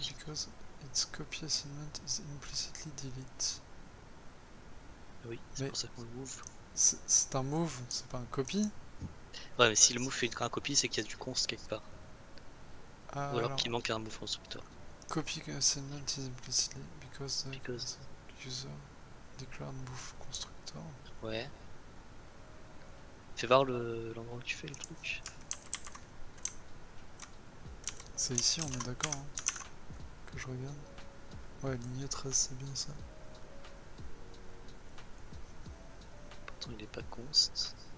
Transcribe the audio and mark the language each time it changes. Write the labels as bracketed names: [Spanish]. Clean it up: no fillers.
[English] Because its copy assignment is implicitly delete. [French] Oui, c'est pour ça qu'on le move. C'est un move, c'est pas un copy. Ouais, mais si le move fait un copy, c'est qu'il y a du const quelque part. Ah, ou alors qu'il manque un move constructeur. [English] Copy assignment is implicitly because the user declared move constructor. [French] Ouais. Fais voir l'endroit où tu fais le truc. C'est ici, on est d'accord. Hein, que je regarde. Ouais, ligne 13, c'est bien ça. Pourtant, il est pas const.